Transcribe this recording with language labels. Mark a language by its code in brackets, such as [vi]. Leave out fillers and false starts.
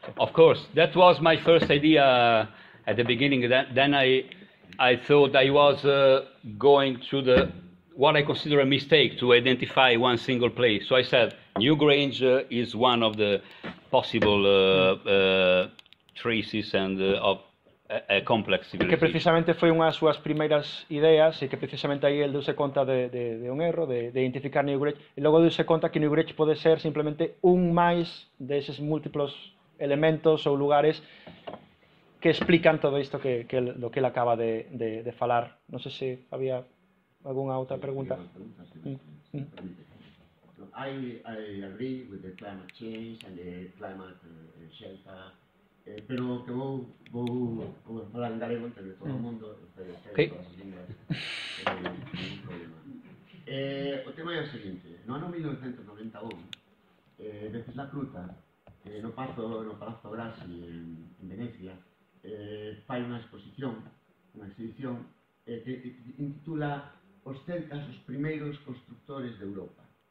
[en] Of course, that was my first idea at the beginning. Then I thought I was going through the what I consider a mistake to identify one single place. So I said Newgrange is one of the possible traces and of. [gl] Que precisamente foi unha das súas primeiras ideas e que precisamente aí el deuse conta de un erro de identificar Newgrange e logo deuse conta que Newgrange pode ser simplemente un máis deses múltiplos elementos ou lugares que explican todo isto que el acaba de falar. Non sei se había alguna outra pregunta. [en] I agree with the climate change and the climate shelter. [gl] Pero que vou falar en galego entre todo o mundo, o tema é o seguinte, no ano 1991, desde la cruta, no Palazzo Grassi, en Venecia, fai unha exhibición, que intitula Os celtas, os primeiros constructores de Europa.